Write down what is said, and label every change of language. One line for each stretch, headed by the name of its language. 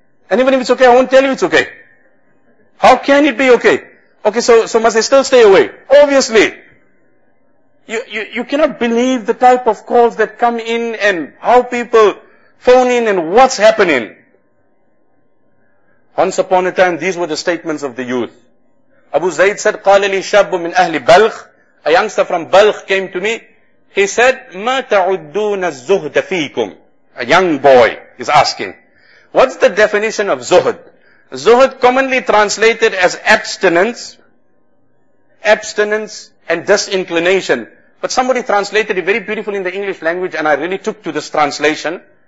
English: And even if it's okay, I won't tell you it's okay. How can it be okay? Okay, so must I still stay away? Obviously. You cannot believe the type of calls that come in and how people phone in and what's happening. Once upon a time, these were the statements of the youth. Abu Zayd said,
Arabic: قَالَ لِي شَابٌ مِّنْ أَهْلِ بَلْخ.
English: A youngster from Balkh came to me. He said,
Arabic: مَا تَعُدُّونَ الزُّهْدَ فِيكُمْ.
English: A young boy is asking, what's the definition of zuhd? Zuhd commonly translated as abstinence and disinclination. But somebody translated it very beautifully in the English language, and I really took to this translation.